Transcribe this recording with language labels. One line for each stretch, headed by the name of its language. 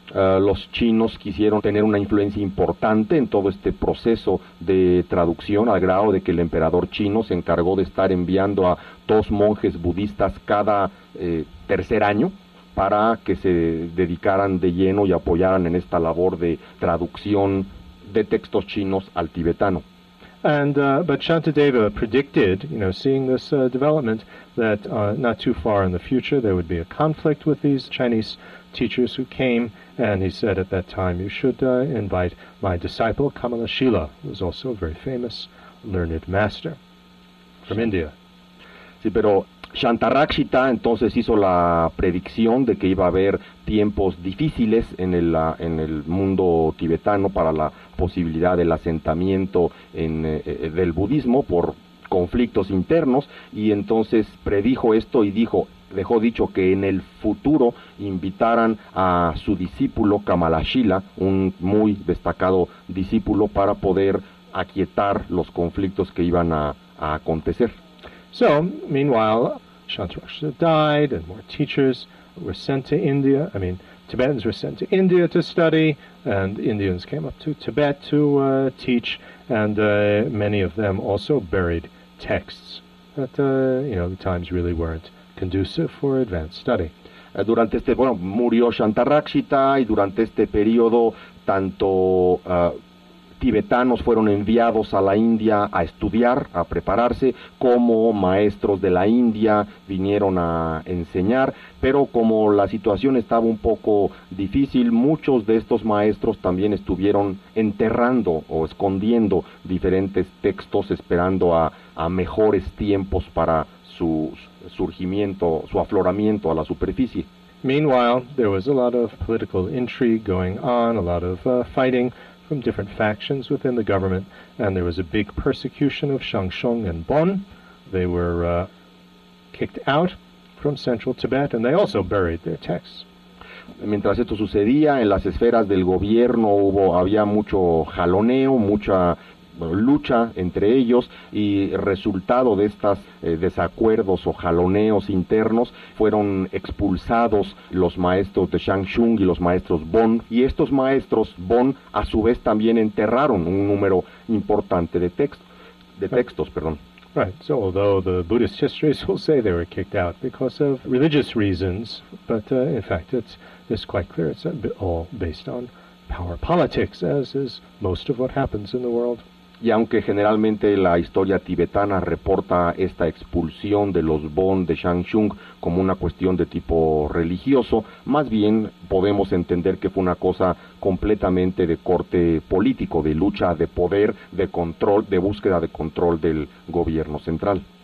Spanish: Los chinos quisieron tener una influencia importante en todo este proceso de traducción, al grado de que el emperador chino se encargó de estar enviando a dos monjes budistas cada tercer año para que se dedicaran de lleno y apoyaran en esta labor de traducción de textos chinos al tibetano.
English: And but Shantideva predicted, you know, seeing this development, that not too far in the future there would be a conflict with these Chinese teachers who came, and he said at that time, you should invite my disciple Kamala Shila, who was also a very famous learned master from India.
Spanish: Sí, pero Shantarakshita entonces hizo la predicción de que iba a haber tiempos difíciles en el mundo tibetano para la posibilidad del asentamiento en del budismo por conflictos internos, y entonces predijo esto y dijo, dejó dicho que en el futuro invitaran a su discípulo Kamala Shila, un muy destacado discípulo, para poder aquietar los conflictos que iban a acontecer.
English: So, meanwhile, Shantarakshita died and more teachers were sent to India. I mean, Tibetans were sent to India to study, and Indians came up to Tibet to teach, and many of them also buried texts that, you know, the times really weren't conducive for advanced study.
Spanish: Durante este, bueno, murió Shantarakshita, y durante este periodo, tanto tibetanos fueron enviados a la India a estudiar, a prepararse, como maestros de la India vinieron a enseñar, pero como la situación estaba un poco difícil, muchos de estos maestros también estuvieron enterrando o escondiendo diferentes textos, esperando a mejores tiempos para su surgimiento, su afloramiento a la superficie.
English: Meanwhile, there was a lot of political intrigue going on, a lot of fighting from different factions within the government, and there was a big persecution of Shangshung and Bon. They were kicked out from central Tibet, and they also buried their texts.
Spanish: Mientras esto sucedía, en las esferas del gobierno había mucho jaloneo, mucha lucha entre ellos, y resultado de estos desacuerdos o jaloneos internos, fueron expulsados los maestros de Shangshung y los maestros Bon, y estos maestros Bon a su vez también enterraron un número importante de textos.
English: Right, so although the Buddhist histories will say they were kicked out because of religious reasons, but in fact it's quite clear it's all based on power politics, as is most of what happens in the world.
Spanish: Y aunque generalmente la historia tibetana reporta esta expulsión de los Bon de Shangshung como una cuestión de tipo religioso, más bien podemos entender que fue una cosa completamente de corte político, de lucha de poder, de control, de búsqueda de control del gobierno central.